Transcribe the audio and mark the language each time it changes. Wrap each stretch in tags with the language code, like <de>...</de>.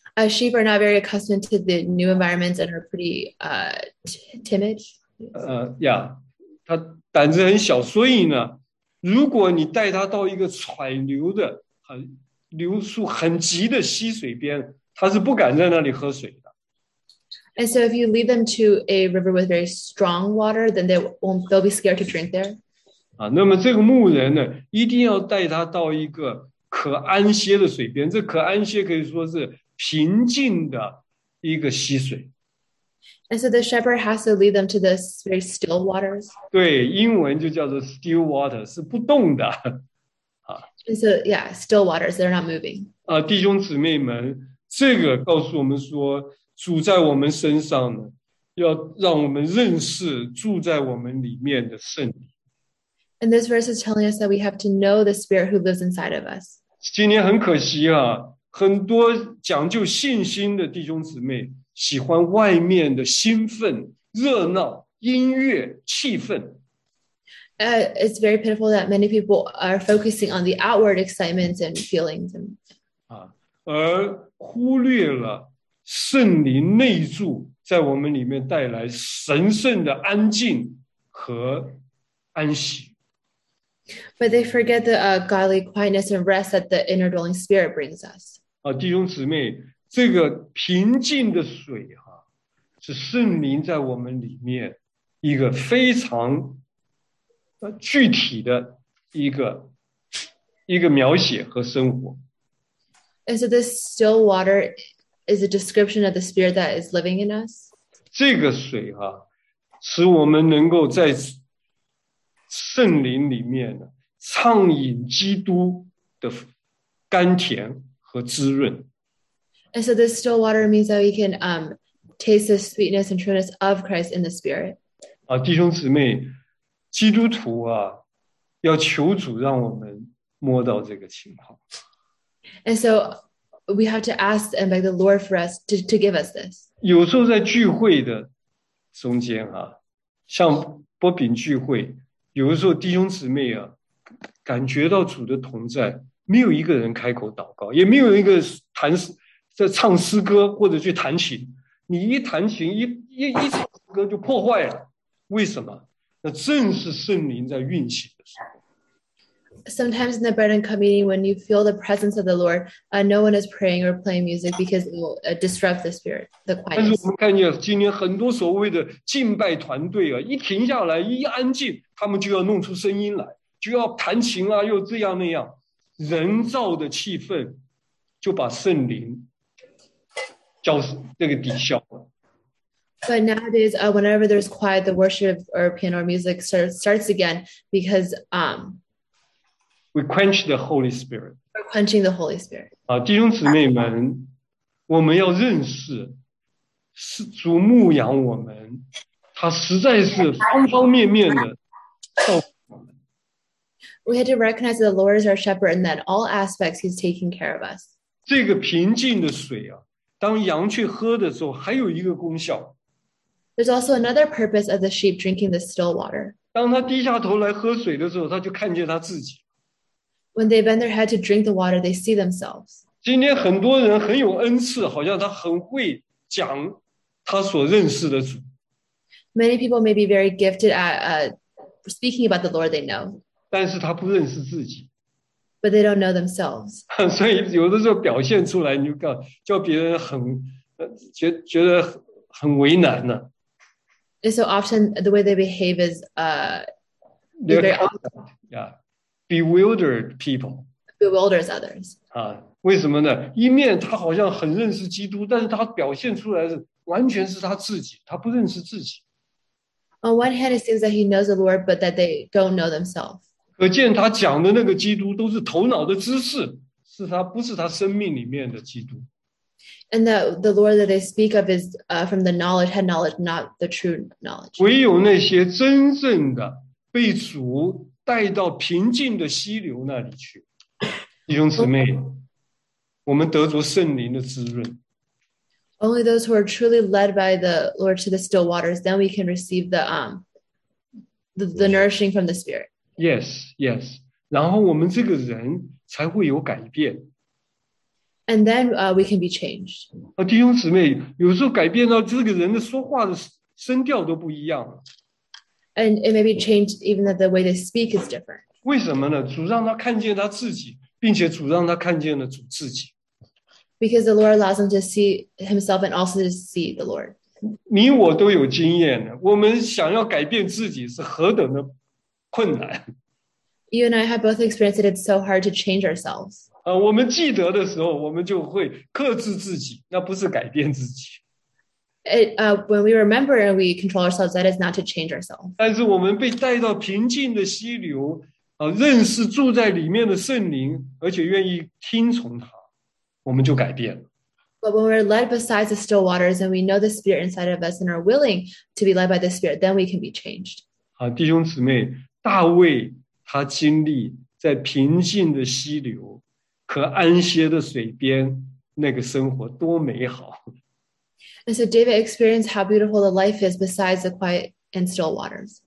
<en>Sheep are not very accustomed to the new environments and are pretty timid. Yeah,</en> <zh>他胆子很小，所以呢，如果你带他到一个喘流的、流速很急的溪水边，他是不敢在那里喝水的。</zh> <en>And so, if you lead them to a river with very strong water, then they'll be scared to drink there.</en> <zh>啊，那么这个牧人呢，一定要带他到一个可安歇的水边。这可安歇可以说是。平静的一个溪水。</zh> <en>And so the shepherd has to lead them to the very still waters.</en> <zh>对，英文就叫做</zh> <en>still water，</en> <zh>是不动的。</zh> <en>And so yeah, still waters, they're not moving.</en> <zh>弟兄姊妹们，这个告诉我们说，主在我们身上呢，要让我们认识住在我们里面的圣灵。</zh> <en>And this verse is telling us that we have to know the Spirit who lives inside of us.</en> <zh>今天很可惜啊，很多讲究信心的弟兄姊妹喜欢外面的兴奋、热闹、音乐、气氛。</zh> <en>It's very pitiful that many people are focusing on the outward excitements and feelings.</en> <zh>而忽略了圣灵内住在我们里面带来神圣的安静和安息。</zh> <en>But they forget the godly quietness and rest that the inner dwelling spirit brings us.</en> <zh>弟兄姊妹，这个平静的水啊，是圣灵在我们里面一个非常具体的一个描写和生活。</zh> <en>And so this still water is a description of the spirit that is living in us.</en> <zh>这个水啊，使我们能够在圣灵里面呢，畅饮基督的甘甜和滋润。</zh> <en>And so this still water means that we can taste the sweetness and trueness of Christ in the Spirit.</en> <zh>弟兄姊妹，基督徒啊，要求主让我们摸到这个情况。</zh> <en>And so we have to ask and beg the Lord for us to give us this.</en> <zh>有时候在聚会的中间啊，像波饼聚会。有的时候弟兄姊妹啊，感觉到主的同在，没有一个人开口祷告，也没有一个弹在唱诗歌或者去弹琴。你一弹琴，一唱诗歌就破坏了。为什么？那正是圣灵在运行的时候。</zh> <en>Sometimes in the bread and cup meeting, when you feel the presence of the Lord, no one is praying or playing music because it will disrupt the spirit, the quiet.</en> <zh>但是我们看见今天很多所谓的敬拜团队啊，一停下来，一安静，他们就要弄出声音来，就要弹琴啊，又这样那样，人造的气氛就把圣灵叫那个抵消了。</zh> <en>But nowadays, whenever there's quiet, the worship or piano or music starts again because We quench the Holy Spirit. We're quenching the Holy Spirit.</en> <zh>弟兄姊妹们，我们要认识，是主牧养我们，他实在是方方面面的照顾我们。</zh> <en>We had to recognize that the Lord is our shepherd and that all aspects he's taking care of us.</en> <zh>这个平静的水啊，当羊去喝的时候，还有一个功效。</zh> <en>There's also another purpose of the sheep drinking the still water.</en> <zh>当他低下头来喝水的时候，他就看见他自己。</zh> <en>When they bend their head to drink the water, they see themselves.</en> <zh>今天很多人很有恩赐，好像他很会讲他所认识的主。</zh> <en>Many people may be very gifted at speaking about the Lord they know.</en> <zh>但是他不认识自己。</zh> <en>But they don't know themselves.</en> <zh>所以有的时候表现出来，你就叫别人很觉得很为难呢。</zh> <en>And so often the way they behave is very awkward. Yeah. Bewildered people. Bewilders others.</en> <zh>为什么呢？一面他好像很认识基督，但是他表现出来是完全是他自己，他不认识自己。</zh> <en>On one hand, it seems that he knows the Lord, but that they don't know themselves.</en> <zh>可见他讲的那个基督都是头脑的知识，是他不是他生命里面的基督。</zh> <en>And that the Lord that they speak of is from the knowledge, head knowledge, not the true knowledge.</en> <zh>唯有那些真正的被主带到平静的溪流那里去，弟兄姊妹，我们得着圣灵的滋润。</zh> <en>Only those who are truly led by the Lord to the still waters, then we can receive the nourishing from the Spirit. Yes, yes.</en> <zh>然后我们这个人才会有改变。</zh> <en>And then we can be changed.</en> <zh>弟兄姊妹，有时候改变到这个人的说话的声调都不一样了。</zh> <en>And it may be changed even that the way they speak is different.</en> <zh>为什么呢？主让他看见他自己，并且主让他看见了主自己。</zh> <en>Because the Lord allows him to see himself and also to see the Lord.</en> <zh>你我都有经验的，我们想要改变自己是何等的困难。</zh> <en>You and I have both experienced that it's so hard to change ourselves.</en> <zh>我们记得的时候，我们就会克制自己，那不是改变自己。</zh> <en>When we remember and we control ourselves, that is not to change ourselves.</en> <zh>但是我们被带到平静的溪流，认识住在里面的圣灵，而且愿意听从他，我们就改变了。</zh> <en>But when we're led beside the still waters and we know the spirit inside of us and are willing to be led by the spirit, then we can be changed.</en> <zh>弟兄姊妹，大卫他经历在平静的溪流和安歇的水边，那个生活多美好。</zh> <en>And so David experienced how beautiful the life is beside the quiet and still waters.</en>